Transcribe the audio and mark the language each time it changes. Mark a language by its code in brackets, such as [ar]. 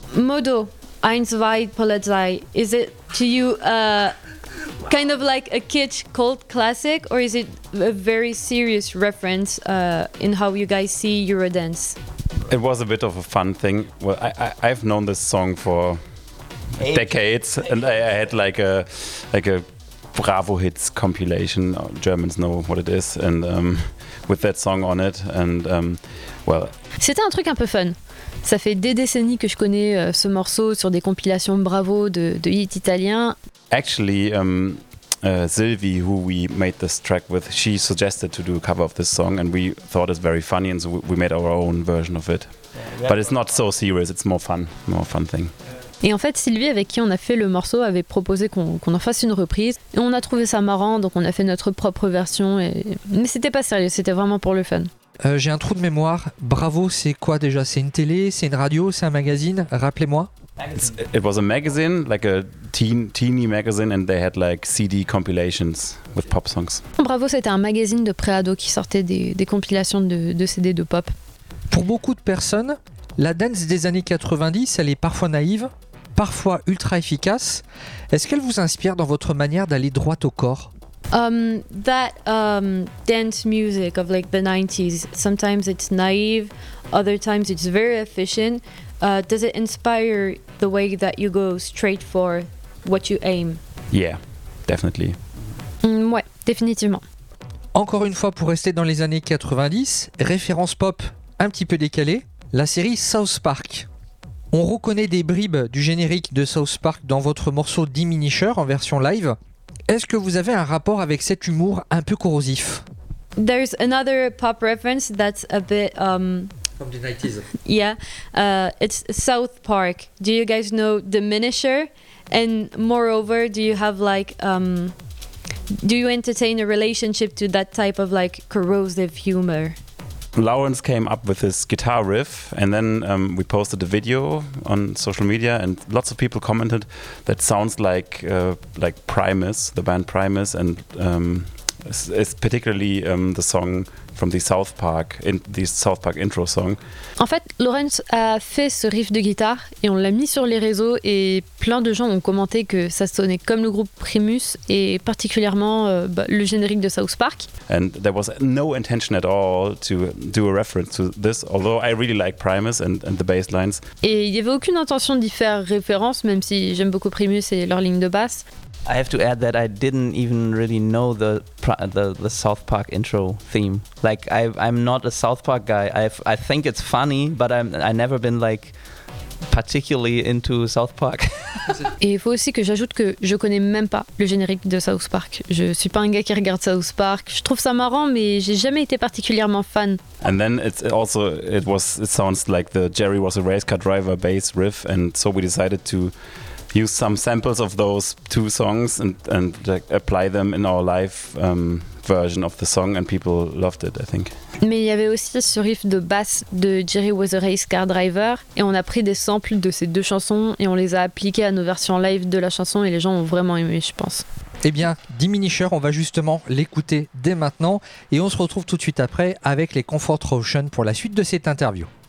[en] Modo, Hans Vai Polizei, is it to you kind of like a kitsch cult classic or is it a very serious reference in how you guys see Eurodance? It was a bit of a fun thing. Well, I've known this song for decades, and I had like a Bravo Hits compilation. Germans know what it is, and with that song on it, and well. [fr] C'était un truc un peu fun. Ça fait des décennies que je connais ce morceau sur des compilations Bravo de hits italiens. [en] Actually, Sylvie, who we made this track with, she suggested to do a cover of this song, and we thought it's very funny, and so we made our own version of it. But it's not so serious. It's more fun thing. [fr] Et en fait, Sylvie, avec qui on a fait le morceau, avait proposé qu'on en fasse une reprise. Et on a trouvé ça marrant, donc on a fait notre propre version. Mais c'était pas sérieux, c'était vraiment pour le fun. J'ai un trou de mémoire. Bravo, c'est quoi déjà ? C'est une télé ? C'est une radio ? C'est un magazine ? Rappelez-moi. [en] It was a magazine, like a teeny magazine, and they had like CD compilations with pop songs. [fr] Bravo, c'était un magazine de pré-ado qui sortait des compilations de CD de pop. Pour beaucoup de personnes, la dance des années 90, elle est parfois naïve, parfois ultra efficace. Est-ce qu'elle vous inspire dans votre manière d'aller droit au corps? [en] That dance music of like the 90s, sometimes it's naive, other times it's very efficient. Does it inspire the way that you go straight for what you aim? Yeah, definitely. [fr] Ouais, définitivement. Encore une fois, pour rester dans les années 90, référence pop un petit peu décalée. La série South Park. On reconnaît des bribes du générique de South Park dans votre morceau Diminisher en version live. Est-ce que vous avez un rapport avec cet humour un peu corrosif? [en] There's another pop reference that's a bit from the 90s. Yeah, it's South Park. Do you guys know The Minisher? And moreover, do you have like, do you entertain a relationship to that type of like corrosive humor? Lawrence came up with this guitar riff, and then we posted a video on social media, and lots of people commented that sounds like Primus, the band Primus, and it's particularly the song from the South Park, in the South Park intro song. [fr] En fait, Lawrence a fait ce riff de guitare et on l'a mis sur les réseaux, et plein de gens ont commenté que ça sonnait comme le groupe Primus et particulièrement le générique de South Park. [en] And there was no intention at all to do a reference to this, although I really like Primus and the bass lines. [fr] Et il n'y avait aucune intention d'y faire référence, même si j'aime beaucoup Primus et leur ligne de basse. [en] I have to add that I didn't even really know the South Park intro theme. Like I'm not a South Park guy. I think it's funny, but I've never been like particularly into South Park. [fr] Et il faut aussi que j'ajoute que je connais même pas le générique de South Park. Je suis pas un gars qui regarde South Park. Je trouve ça marrant, mais j'ai jamais été particulièrement fan. [en] And then it sounds like the Jerry Was a Race Car Driver bass riff, and so we decided to use some samples of those two songs and apply them in our live version of the song, and people loved it, I think. [fr] Mais il y avait aussi ce riff de basse de Jerry Was a Race Car Driver, et on a pris des samples de ces deux chansons et on les a appliqués à nos versions live de la chanson, et les gens ont vraiment aimé, je pense. Eh bien, Diminisher, on va justement l'écouter dès maintenant, et on se retrouve tout de suite après avec les Comfort Ocean pour la suite de cette interview.